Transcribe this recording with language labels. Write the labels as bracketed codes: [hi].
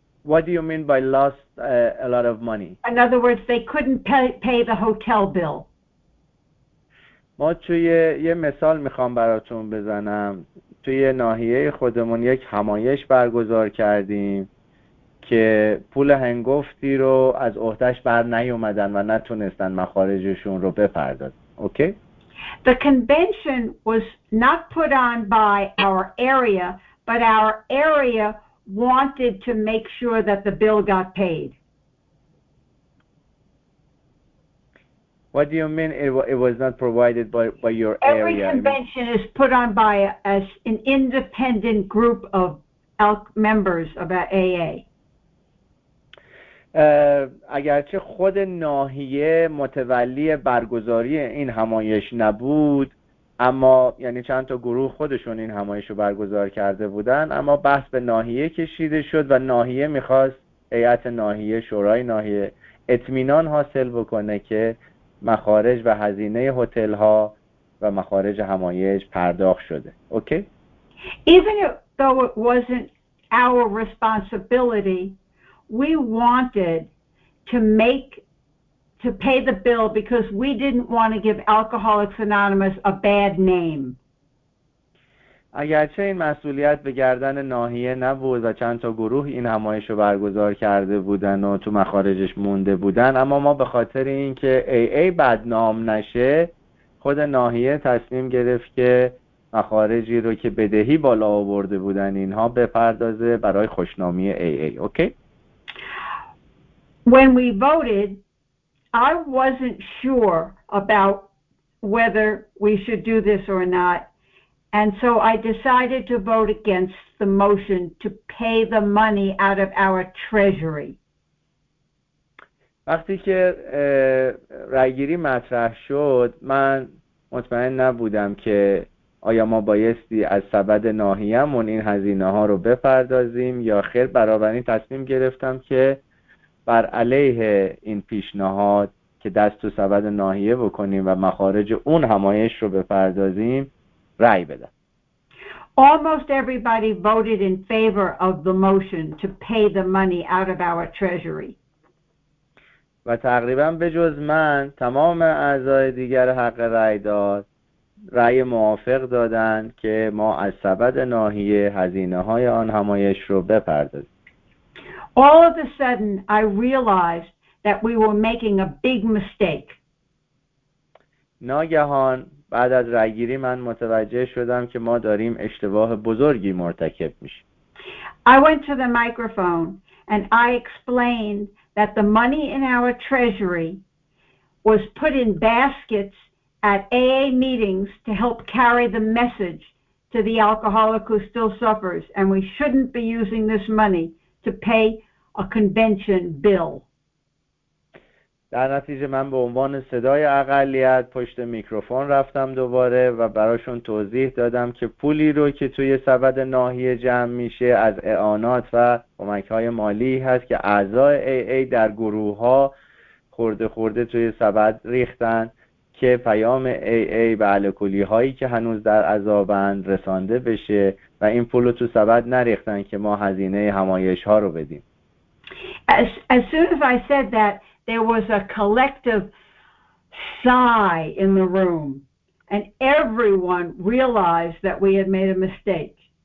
[en] What do you mean by lost a lot of money? In other words, they couldn't pay the hotel bill. [fa] ما توی یه مثال میخوام براتون بزنم. توی ناحیه خودمون یک همایش برگزار کردیم که پول هنگفتی رو از عهدش بر نیومدن و نتونستن مخارجشون رو بپردازن. [en] Okay? The convention was not put on by our area, but our area wanted to make sure that the bill got paid. What do you mean it was not provided by your Every area? Every convention is put on by an independent group of members of AA. [fa] اگرچه خود ناحیه متولی برگزاری این همایش نبود، اما یعنی چند تا گروه خودشون این همایش رو برگزار کرده بودن، اما بحث به ناحیه کشیده شد و ناحیه میخواست هیئت ناحیه، شورای ناحیه اطمینان حاصل بکنه که مخارج و هزینه هتل ها و مخارج همایش پرداخت شده. اوکی؟ [en] Even though it wasn't our responsibility, we wanted to pay the bill because we didn't want to give Alcoholics Anonymous a bad name. [fa] اگرچه این مسئولیت به گردن ناحیه نبود و چند تا گروه این همایش رو برگزار کرده بودن و تو مخارجش مونده بودن، اما ما به خاطر اینکه AA بدنام نشه، خود ناحیه تصمیم گرفت که مخارجی رو که بدهی بالا آورده بودن اینها بپردازه برای خوشنامی AA. اوکی؟ [en] When we voted, I wasn't sure about whether we should do this or not, and so I decided to vote against the motion to pay the money out of our treasury. [fa] وقتی که رأی‌گیری مطرح شد، من مطمئن نبودم که آیا ما بایستی از سبد ناحیه‌مون این هزینه‌ها رو بپردازیم یا خیر. بنابراین تصمیم گرفتم که بر علیه این پیشنهاد که دست تو سبد ناحیه بکنیم و مخارج اون همایش رو بپردازیم رأی بدن. [en] Almost everybody voted in favor of the motion to pay the money out of our treasury. [fa] و تقریبا به جز من تمام اعضای دیگر حق رأی داد رأی موافق دادن که ما از سبد ناحیه هزینه های آن همایش رو بپردازیم. [en] All of a sudden, I realized that we were making a big mistake. [fa] ناگهان بعد از رأی‌گیری من متوجه شدم که ما داریم اشتباه بزرگی مرتکب میشیم. [en] I went to the microphone and I explained that the money in our treasury was put in baskets at AA meetings to help carry the message to the alcoholic who still suffers, and we shouldn't be using this money to pay a convention bill. [fa] در نتیجه من به عنوان صدای اقلیت پشت میکروفون رفتم دوباره و براشون توضیح دادم که پولی رو که توی سبد ناحیه جمع میشه از اعانات و کمک‌های مالی هست که اعضای AA در گروه‌ها خورده خورده توی سبد ریختن، که پیام AA به الکلی هایی که هنوز در عذابند رسانده بشه و این پول رو تو سبد نریختن که ما هزینه همایش ها رو بدیم. [en] As soon as I said that, there was a collective sigh in the room, and everyone realized that we had made a mistake.